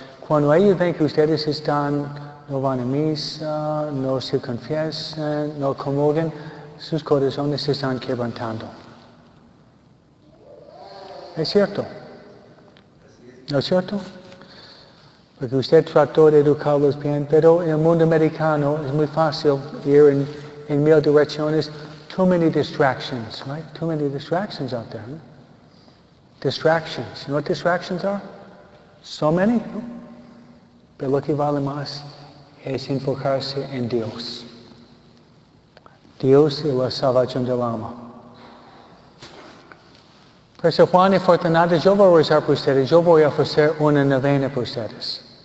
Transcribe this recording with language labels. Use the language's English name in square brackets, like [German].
[Spanish] Cuando ellos ven que ustedes están, no van a misa, no se confiesan, no comulgan, sus corazones se están quebrantando. ¿Es cierto? ¿No es cierto? Porque usted trató de educarlos bien, pero en el mundo americano es muy fácil ir en 1000 direcciones. [English] Too many distractions, right? Too many distractions out there. Distractions. You know what distractions are? [Spanish] Somos hijos, pero lo que vale más es enfocarse en Dios. Dios y la salvación del alma. Por eso, Juan y Fortunato, yo voy a rezar por ustedes, yo voy a ofrecer una novena por ustedes.